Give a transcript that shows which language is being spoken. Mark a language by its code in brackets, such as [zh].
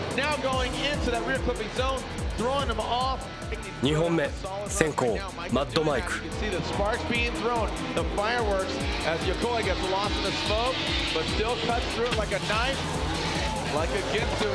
[en] Now going into that rear clipping zone, throwing him off. [ja] 2本目先行マッドマイク。 [en] You can see the sparks being thrown, the fireworks, as Yokoi gets lost in the smoke, but still cuts through it like a knife, like a Ginsu.